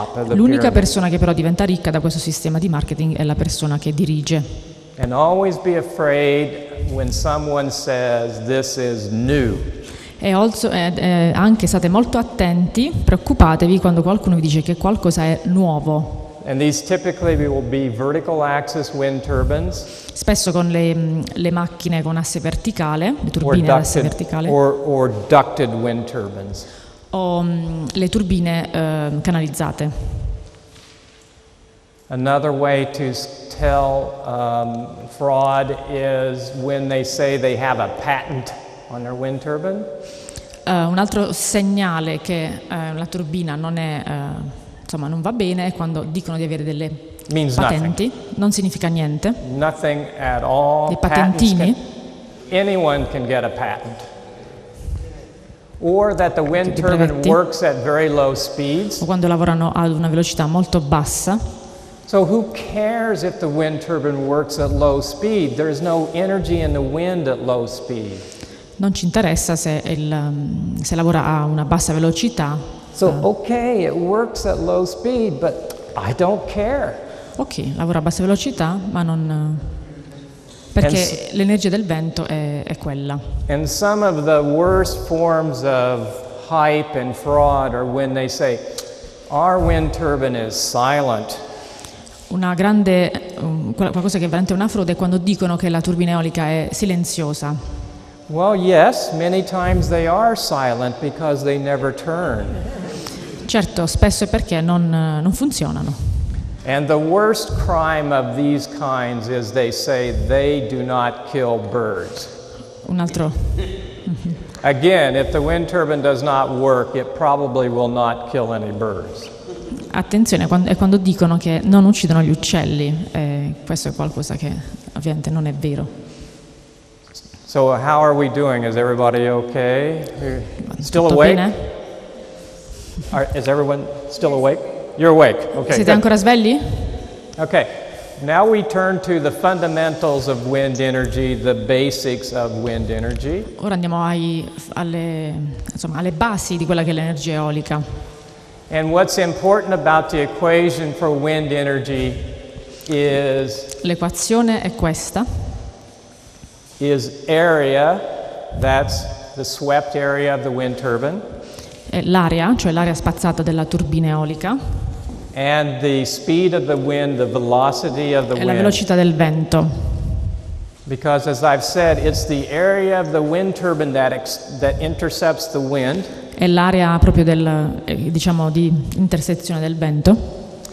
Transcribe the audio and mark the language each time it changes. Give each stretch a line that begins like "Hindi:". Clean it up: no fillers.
Italian: L'unica persona che però diventa ricca da questo sistema di marketing è la persona che dirige.
English: And always be afraid when someone says this is new.
Italian: E
English: also,
Italian: anche state molto attenti, preoccupatevi quando qualcuno vi dice che qualcosa è nuovo.
English: And these typically will be vertical axis wind turbines.
Italian: Spesso con le macchine con asse verticale, le turbine ducted, ad asse verticale.
English: Or ducted wind turbines.
Italian: O le turbine canalizzate.
English: Another way to tell fraud is when they say they have a patent on their wind turbine.
Italian: Un altro segnale che la turbina non è insomma non va bene è quando dicono di avere delle
English: means
Italian: patenti.
English: Nothing.
Italian: Non significa niente.
English: Nothing at all.
Italian: Dei patentini.
English: Anyone can get a patent. Or that the wind turbine works at very low speeds.
Italian: O quando lavorano ad una velocità molto bassa.
English: So who cares if the wind turbine works at low speed? There is no energy in the wind at low speed.
Italian: Non ci interessa se lavora a una bassa velocità.
English: So okay, it works at low speed, but I don't care.
Italian: Ok, lavora a bassa velocità, ma non perché l'energia del vento è quella.
English: And some of the worst forms of hype and fraud are when they say our wind turbine is silent.
Italian: Una grande qualcosa che è veramente una frode è quando dicono che la turbina eolica è silenziosa.
English: Well, yes, many times they are silent because they never turn.
Italian: Certo, spesso è perché non funzionano.
English: And the worst crime of these kinds is they say they do not kill birds.
Italian: Un altro.
English: Again, if the wind turbine does not work, it probably will not kill any birds.
Italian: Attenzione, è quando dicono che non uccidono gli uccelli, questo è qualcosa che ovviamente non è vero.
English: So how are we doing? Is everybody okay? Still
Italian: tutto
English: awake?
Italian: Bene?
English: Is everyone still awake? You're awake. Okay.
Italian: Siete ancora svegli?
English: Okay. Now we turn to the fundamentals of wind energy, the basics of wind energy.
Italian: Ora andiamo alle basi di quella che è l'energia eolica.
English: And what's important about the equation for wind energy is
Italian: l'equazione è questa.
English: Is area, that's the swept area of the wind turbine.
Italian: È l'area, cioè l'area spazzata della turbina eolica.
English: And the speed of the wind, the velocity of the wind.
Italian: È la velocità del vento.
English: Because as I've said, it's the area of the wind turbine that intercepts the wind.
Italian: È l'area proprio del diciamo di intersezione del vento.